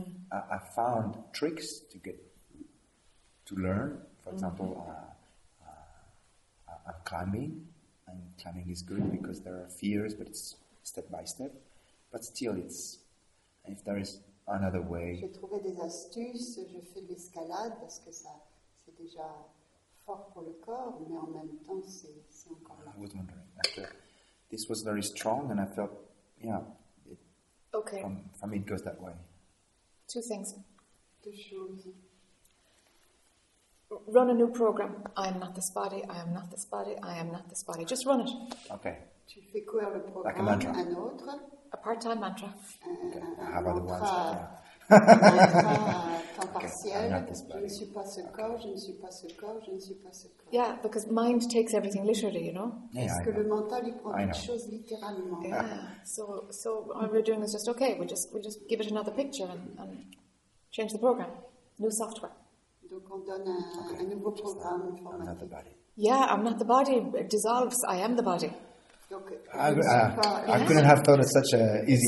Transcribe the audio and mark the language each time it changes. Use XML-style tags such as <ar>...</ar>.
<en>I found tricks to get to learn. For example, I'm climbing, and climbing is good because there are fears, but it's step by step. But still, it's if there is another way.</en> <fr>J'ai trouvé des astuces. Je fais de l'escalade parce que ça c'est déjà fort pour le corps, mais en même temps c'est encore là.</fr> <en>I was wondering after this was very strong, and I felt yeah. It, okay. For me, it goes that way. Two things.</en> <fr>Deux choses.</fr> <en>Run a new program. I am not this body. I am not this body. I am not this body. Just run it. Okay.</en> <fr>Tu fais courir le programme.</fr> <en>Like a mantra.</en> <fr>Un autre.</fr> <en>A part-time mantra. Okay. How about the ones?</en> <fr>Un mantra temps partiel.</fr> <en>I'm not this body.</en> <fr>Je ne suis pas ce corps. Je ne suis pas ce corps. Je ne suis pas ce corps.</fr> <en>Yeah, because mind takes everything literally, you know. Yeah.</en> <fr>Parce que le mental il prend les choses littéralement.</fr> <en>Yeah. So all we're doing is just okay. We just give it another picture and change the program. New software.</en> <fr>Donc on donne un nouveau programme formatique.</fr> <en>Yeah, I'm not the body. It dissolves. I am the body. I couldn't have thought it's such an easy...</en>